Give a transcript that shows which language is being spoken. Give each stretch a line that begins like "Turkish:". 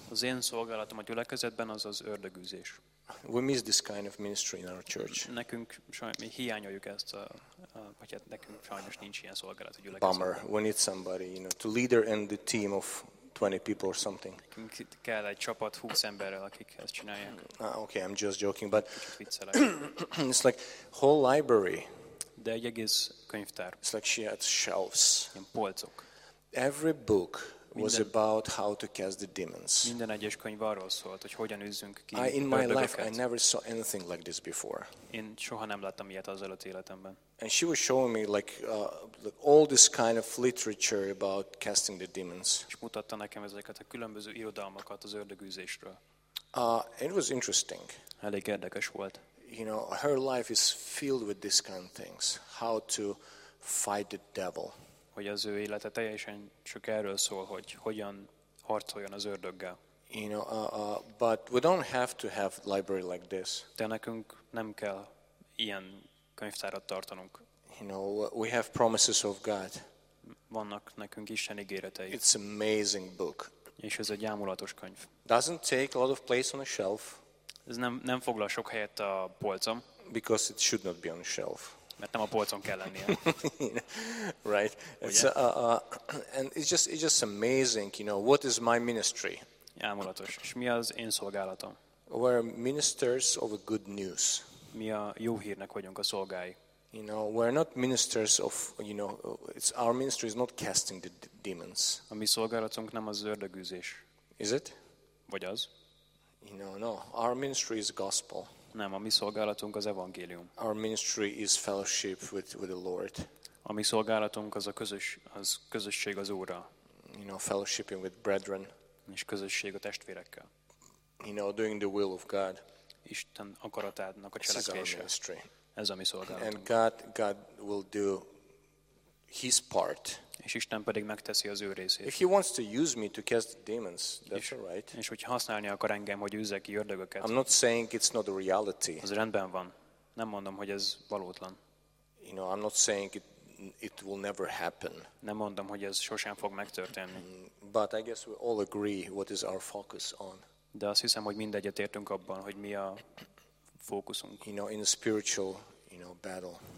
Hungarian: Az én szolgálatom a gyülekezetben az az ördögűzés.
English: We miss this kind of ministry in our church.
Hungarian: Nekünk mi hiányoljuk ezt, vagy nekünk sajnos nincs ilyen szolgálat, hogy gyülekezetben.
English: Bummer. We need somebody, you know, to leader and the team of 20 people or something.
Hungarian: Nekünk kell egy csapat 20 emberrel, akik ezt csinálják.
English: Okay, I'm just joking, but it's like whole library.
Hungarian: De egy egész könyvtár.
English: It's like she had shelves.
Hungarian: Ilyen polcok.
English: Every book. Was about how to cast the demons.
Hungarian: Minden egyes könyv arról szólt, hogy hogyan üzzünk ki ördögöket.
English: In my life I never saw anything like this before.
Hungarian: Én soha nem láttam ilyet az előtt életemben.
English: And she was showing me like all this kind of literature about casting the demons.
Hungarian: És mutatta nekem ezeket a különböző irodalmakat az ördögűzésről.
English: It was interesting.
Hungarian: Elég érdekes volt.
English: you know, her life is filled with these kind of things. How to fight the devil.
Hungarian: Hogy az ő élete teljesen csak erről szól, hogy hogyan harcoljon az ördöggel.
English: You know, but we don't have to have library like this.
Hungarian: De nekünk nem kell ilyen könyvtárat tartanunk.
English: You know, we have promises of God.
Hungarian: Vannak nekünk Isten ígéretei.
English: It's an amazing book.
Hungarian: És ez egy ámulatos könyv.
English: Doesn't take a lot of place on a shelf.
Hungarian: Ez nem foglal sok helyet a polcom.
English: Because it should not be on a shelf.
Hungarian: Mert nem a polcon kell lennie.
English: Right. It's and it's just amazing, you know, what is my ministry?
Hungarian: Ámulatos. És mi az én szolgálatom?
English: We're ministers of a good news.
Hungarian: Mi a jó hírnek vagyunk a szolgái.
English: You know, we're not ministers of, you know, it's our ministry is not casting the demons.
Hungarian: A mi szolgálatunk nem az ördögűzés.
English: Is it?
Hungarian: Vagy az?
English: You know, no. Our ministry is gospel.
Hungarian: Nem, a mi szolgálatunk az evangélium.
English: Our ministry is fellowship with the Lord.
Hungarian: A mi szolgálatunk az a közösség az Úrral.
English: You know, fellowshipping with brethren.
Hungarian: És közösség a testvérekkel.
English: You know, doing the will of God.
Hungarian: Isten akaratának a cselekvése. Ez a mi szolgálatunk.
English: And God will do his part.
Hungarian: És Isten pedig megteszi az ő részét.
English: If he wants to use me to cast demons, that's all right.
Hungarian: És hogyha használni akar engem, hogy üzzek ki ördögöket.
English: I'm not saying it's not a reality.
Hungarian: Az rendben van. Nem mondom, hogy ez valótlan.
English: You know, I'm not saying it will never happen.
Hungarian: Nem mondom, hogy ez sosem fog megtörténni.
English: But I guess we all agree what is our focus on.
Hungarian: De azt hiszem, hogy mindegyet értünk abban, hogy mi a fókuszunk.
English: You know, in a spiritual, you know, battle.